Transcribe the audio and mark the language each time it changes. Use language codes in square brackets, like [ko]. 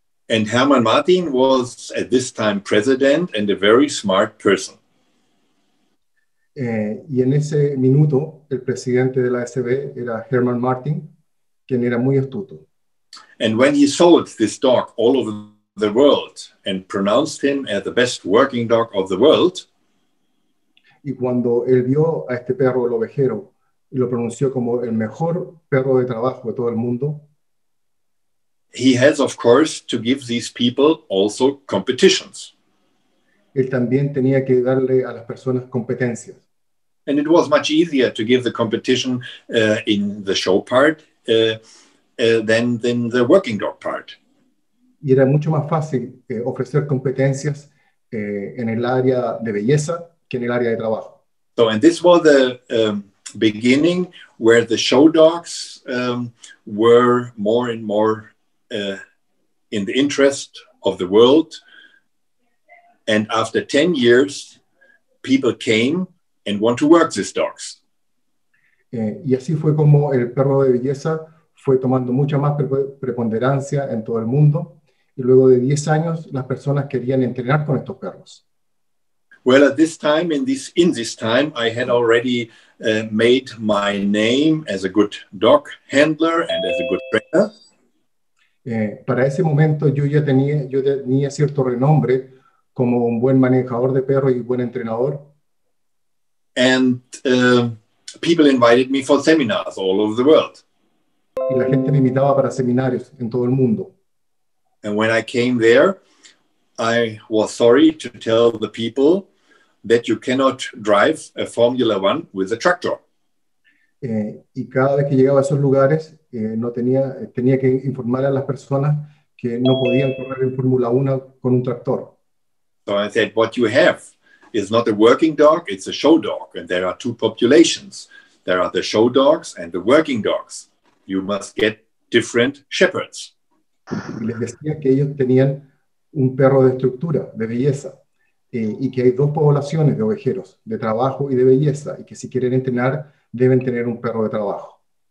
[en] And Hermann Martin was at this time president and a very smart person. [es] Y en ese minuto, el presidente de la SB era Hermann Martin, quien era muy astuto. [en] And when he sold this dog all over the world and pronounced him as the best working dog of the world, [es] y cuando él vio a este perro, el ovejero, y lo pronunció como el mejor perro de trabajo de todo el mundo, [en] he has, of course, to give these people also competitions. [es] Él también tenía que darle a las personas competencias. [en] And it was much easier to give the competition in the show part than the working dog part. [es] Y era mucho más fácil ofrecer competencias en el área de belleza que en el área de trabajo. [en] So, and this was the beginning where the show dogs were more and more in the interest of the world. And after 10 years, people came and want to work these dogs. [es] Y así fue como el perro de belleza fue tomando mucha más preponderancia en todo el mundo. Y luego de 10 años, las personas querían entrenar con estos perros. [en] Well, at this time, in this time, I had already made my name as a good dog handler and as a good trainer. [es] Para ese momento, yo tenía cierto renombre como un buen manejador de perros y buen entrenador. [en] And people invited me for seminars all over the world. [es] Y la gente me invitaba para seminarios en todo el mundo. [en] And when I came there, I was sorry to tell the people that you cannot drive a Formula One with a tractor. [es] Y cada vez que llegaba a esos lugares, no tenía que informar a las personas que no podían correr en Fórmula 1 con un tractor. [en] So I said, what you have is not a working dog, it's a show dog. And there are two populations. There are the show dogs and the working dogs. You must get different shepherds. [es] Les decía que ellos tenían un perro de estructura, de belleza, y que hay dos poblaciones de ovejeros, de trabajo y de belleza, y que si quieren entrenar, deben tener un perro de trabajo.